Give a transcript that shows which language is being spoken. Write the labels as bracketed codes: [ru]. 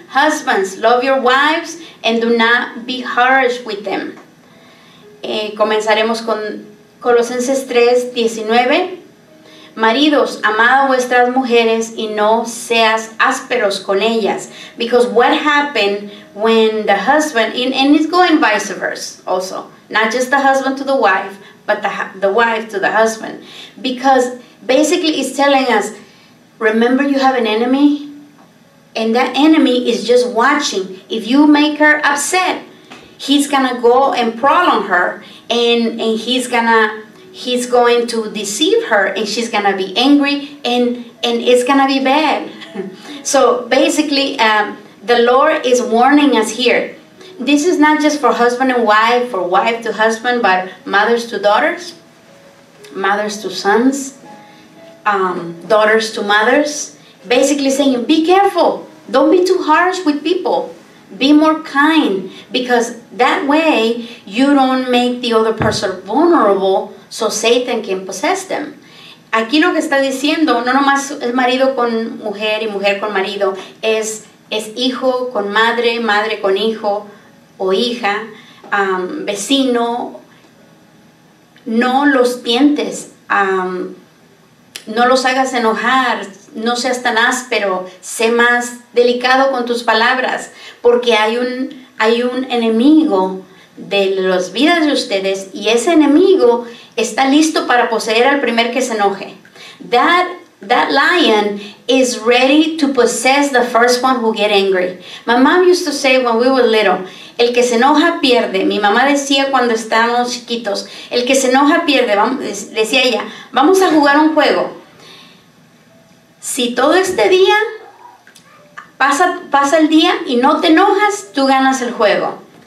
[en] Husbands, love your wives and do not be harsh with them. [es] Comenzaremos con Colosenses 3:19. Maridos, amad a vuestras mujeres y no seas ásperos con ellas. [en] Because what happened when the husband, and it's going vice versa also. Not just the husband to the wife, but the wife to the husband. Because basically it's telling us, remember you have an enemy? And that enemy is just watching. If you make her upset, he's going to go and prolong her. And he's going to deceive her, and she's going to be angry, and it's going to be bad. So basically, the Lord is warning us here. This is not just for husband and wife, for wife to husband, but mothers to daughters, mothers to sons, daughters to mothers. Basically saying, be careful. Don't be too harsh with people. Be more kind, because that way you don't make the other person vulnerable so Satan can possess them. [es] Aquí lo que está diciendo, no nomás es marido con mujer y mujer con marido, es hijo con madre, madre con hijo o hija, vecino. No los tientes, no los hagas enojar, no seas tan áspero, sé más delicado con tus palabras, porque hay un enemigo de las vidas de ustedes, y ese enemigo está listo para poseer al primer que se enoje. [en] That lion is ready to possess the first one who get angry. My mom used to say when we were little, [es] el que se enoja pierde. Mi mamá decía cuando estábamos chiquitos, el que se enoja pierde. Decía ella, vamos a jugar un juego. Si todo este día pasa el día y no te enojas, tú ganas el juego.